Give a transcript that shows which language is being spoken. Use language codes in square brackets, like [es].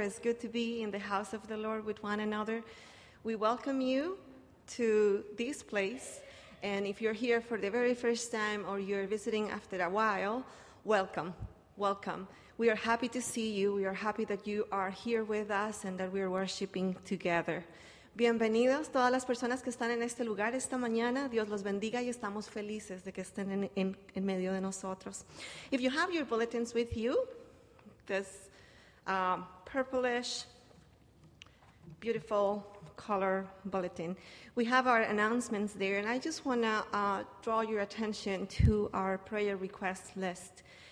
[en] It's good to be in the house of the Lord with one another. We welcome you to this place. And if you're here for the very first time or you're visiting after a while, welcome. Welcome. We are happy to see you. We are happy that you are here with us and that we are worshiping together. [es] Bienvenidos todas las personas que están en este lugar esta mañana. Dios los bendiga y estamos felices de que estén en medio de nosotros. [en] If you have your bulletins with you, this purplish, beautiful color bulletin, we have our announcements there, and I just want to draw your attention to our prayer request list.